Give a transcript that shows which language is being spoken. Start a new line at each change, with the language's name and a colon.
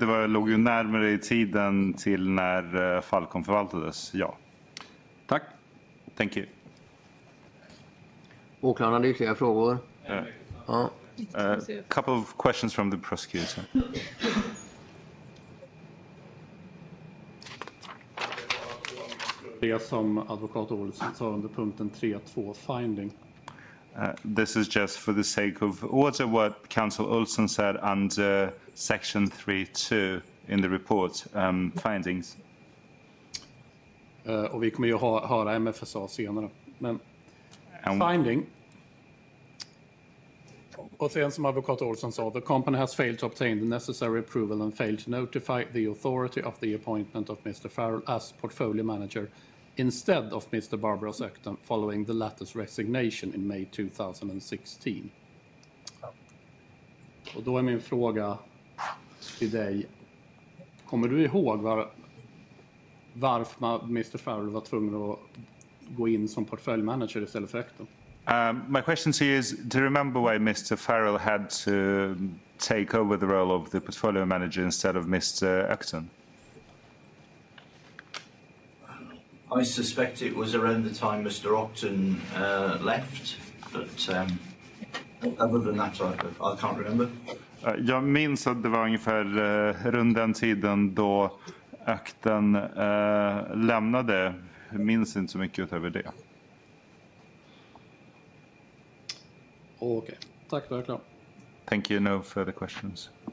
Swedish: Det låg ju närmare i tiden till när Falcon förvaltades, ja. Tack.
English: Thank you.
Swedish: Åklagaren hade ytterligare frågor. Ja.
English: Couple of questions from the prosecutor.
Swedish: Det som advokat Olsson sa under punkten 3.2, finding.
English: This is just for the sake of order what counsel Olsson said under section 3.2 in the report, findings.
Swedish: Och vi kommer ju höra MFSA senare. Men finding. Och sen som advokat Olsson sa,
English: the company has failed to obtain the necessary approval and failed to notify the authority of the appointment of Mr. Farrell as portfolio manager instead of Mr. Barbaros Acton following the latter's resignation in May 2016.
Swedish: Och då är min fråga till dig, kommer du ihåg varför Mr. Farrell var tvungen att gå in som portfolio manager istället för Acton?
English: My question to you is, do you remember why Mr. Farrell had to take over the role of the portfolio manager instead of Mr. Acton? I suspect it was around the time Mr. Acton left, but other than that, I can't remember.
Swedish: Jag minns att det var ungefär runt den tiden då Acton lämnade. Jag minns inte så mycket utöver det. Okej. Tack, då är jag klar.
English: Thank you, no further questions.